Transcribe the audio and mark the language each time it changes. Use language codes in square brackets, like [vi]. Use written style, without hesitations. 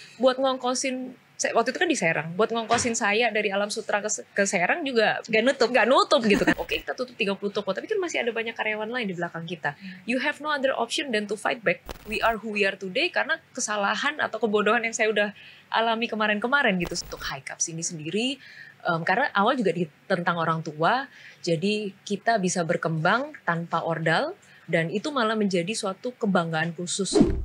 [id] Buat ngongkosin, waktu itu kan di Serang. Buat ngongkosin saya dari Alam Sutra ke Serang juga Gak nutup gitu kan. Oke, kita tutup 30 toko. Tapi kan masih ada banyak karyawan lain di belakang kita. [en] You have no other option than to fight back. We are who we are today. [id] Karena kesalahan atau kebodohan yang saya udah alami kemarin-kemarin gitu. Untuk high cup sini sendiri. Karena awal juga ditentang orang tua. Jadi kita bisa berkembang tanpa ordal. Dan itu malah menjadi suatu kebanggaan khusus.